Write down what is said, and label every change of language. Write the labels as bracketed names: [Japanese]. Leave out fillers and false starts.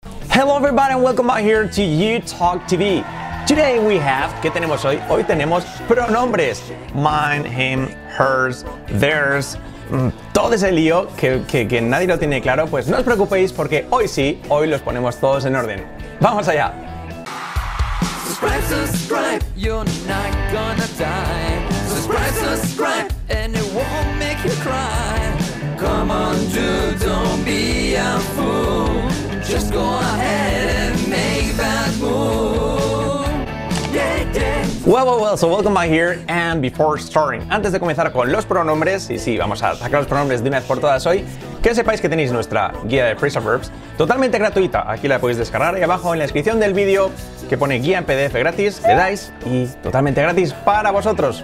[English] Hello, everybody, and welcome out here to You Talk TV. Today we have, [Spanish] ¿qué tenemos hoy? Hoy tenemos pronombres. [English] Mine, him, hers, theirs. [Spanish] Todo ese lío que nadie lo tiene claro, pues no os preocupéis porque hoy sí, hoy los ponemos todos en orden. ¡Vamos allá! [English] Subscribe, you're not gonna die. Subscribe, and it won't make you cry. Come on, dude, don't be a fool. Just go ahead and make that move. Yeah, yeah. Well, well, well, so welcome back here. And before starting, [Spanish] antes de comenzar con los pronombres, y sí, vamos a sacar los pronombres de una vez por todas hoy, que sepáis que tenéis nuestra guía de phrasal verbs totalmente gratuita. Aquí la podéis descargar ahí abajo en la descripción del vídeo, que pone guía en PDF gratis, le dais y totalmente gratis para vosotros.